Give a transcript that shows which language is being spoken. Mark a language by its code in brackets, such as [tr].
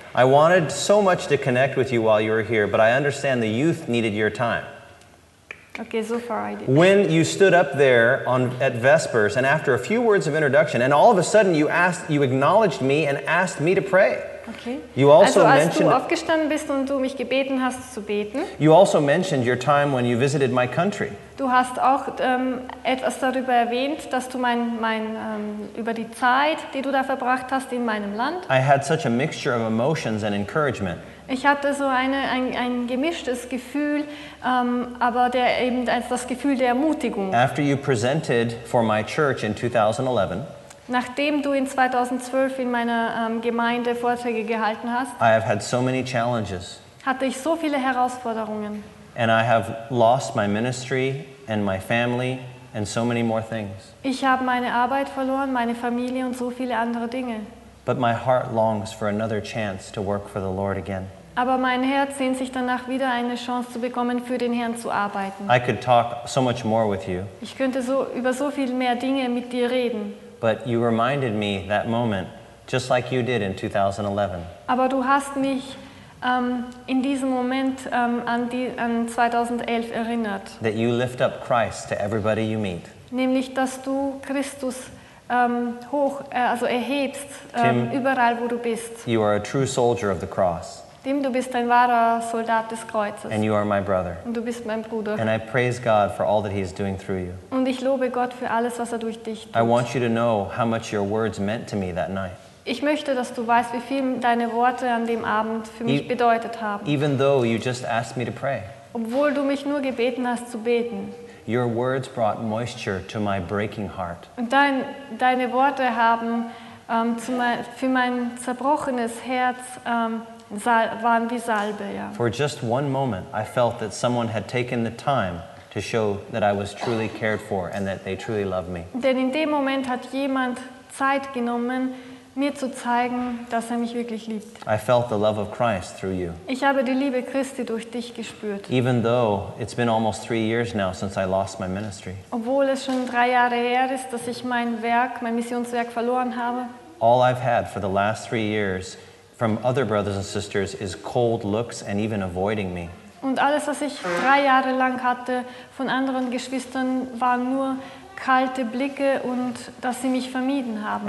[en] I wanted so much to connect with you while you were here, but I understand the youth needed your time. Okay, so far I did. When you stood up there at Vespers, and after a few words of introduction, and all of a sudden you acknowledged me and asked me to pray. Okay. You also mentioned, [de] du aufgestanden bist und du mich gebeten hast zu beten. [en] You also mentioned your time when you visited my country. [de] Du hast auch etwas darüber erwähnt, dass du über die Zeit, die du da verbracht hast in meinem Land. [en] I had such a mixture of emotions and encouragement. [de] Ich hatte so ein gemischtes Gefühl, aber der eben das Gefühl der Ermutigung. [en] After you presented for my church in 2011. [de] Nachdem du in 2012 in meiner Gemeinde Vorträge gehalten hast, [en] I have had so many challenges. [de] Hatte ich so viele Herausforderungen. [en] And I have lost my ministry and my family and so many more things. [de] Ich habe meine Arbeit verloren, meine Familie und so viele andere Dinge. [en] But my heart longs for another chance to work for the Lord again. [de] Aber mein Herz sehnt sich danach, wieder eine Chance zu bekommen, für den Herrn zu arbeiten. [en] I could talk so much more with you. [de] Ich könnte so über so viel mehr Dinge mit dir reden. [en] But you reminded me that moment, just like you did in 2011. [de] Aber du hast mich in diesem Moment an 2011 erinnert. [en] That you lift up Christ to everybody you meet. [de] Nämlich, dass du Christus erhebst überall, wo du bist. [en] You are a true soldier of the cross. [de] Tim, du bist ein wahrer Soldat des Kreuzes. [en] And you are my brother. [de] Und du bist mein Bruder. [en] And I praise God for all that he is doing through you. [de] Und ich lobe Gott für alles, was durch dich tut. [en] I want you to know how much your words meant to me that night. [de] Ich möchte, dass du weißt, wie viel deine Worte an dem Abend für mich bedeutet haben. [en] Even though you just asked me to pray. [de] Obwohl du mich nur gebeten hast zu beten. [en] Your words brought moisture to my breaking heart. [de] Und deine Worte haben für mein zerbrochenes Herz waren wie Salbe, ja. [en] For just one moment, I felt that someone had taken the time to show that I was truly cared for and that they truly loved me. [de] Denn in dem Moment hat jemand Zeit genommen, mir zu zeigen, dass mich wirklich liebt. [en] I felt the love of Christ through you. [de] Ich habe die Liebe Christi durch dich gespürt. [en] Even though it's been almost 3 years now since I lost my ministry. [de] Obwohl es schon 3 Jahre her ist, dass ich mein Missionswerk verloren habe. [en] All I've had for the last 3 years from other brothers and sisters is cold looks and even avoiding me. [de] Und alles, was ich 3 Jahre lang hatte von anderen Geschwistern, waren nur kalte Blicke und dass sie mich vermieden haben.